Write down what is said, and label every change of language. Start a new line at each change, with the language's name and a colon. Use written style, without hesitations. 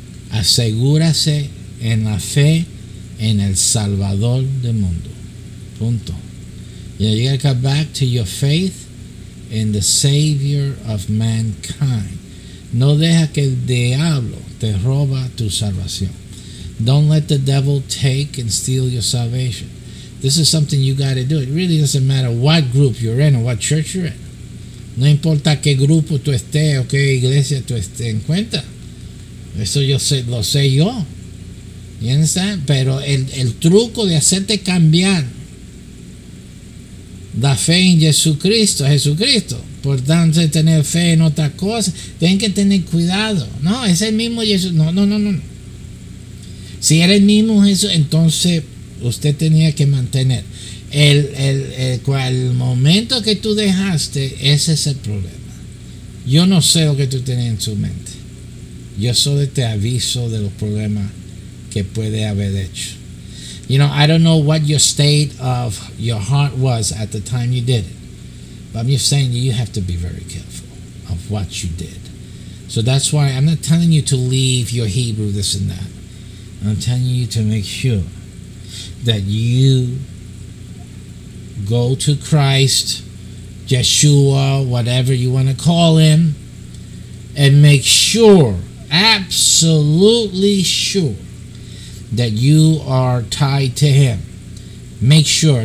Spanish: Asegúrese en la fe en el Salvador del mundo. Punto.
English: You gotta come back to your faith in the Savior of mankind.
Spanish: No deja que el diablo te roba tu salvación.
English: Don't let the devil take and steal your salvation. This is something you got to do. It really doesn't matter what group you're in or what church you're in.
Spanish: No importa qué grupo tú estés o qué iglesia tú estés en cuenta. Eso yo sé, lo sé yo.
English: You understand?
Spanish: Pero el truco de hacerte cambiar la fe en Jesucristo, Jesucristo, por tanto tener fe en otra cosa, tienen que tener cuidado. No, es el mismo Jesús. No. Si era el mismo Jesús, entonces usted tenía que mantener. El momento que tú dejaste, ese es el problema. Yo no sé lo que tú tenías en tu mente. Yo solo te aviso de los problemas que puede haber hecho.
English: You know, I don't know what your state of your heart was at the time you did it. But I'm just saying you have to be very careful of what you did. So that's why I'm not telling you to leave your Hebrew, this and that. I'm telling you to make sure that you go to Christ, Yeshua, whatever you want to call him, and make sure, absolutely sure, that you are tied to him. Make sure.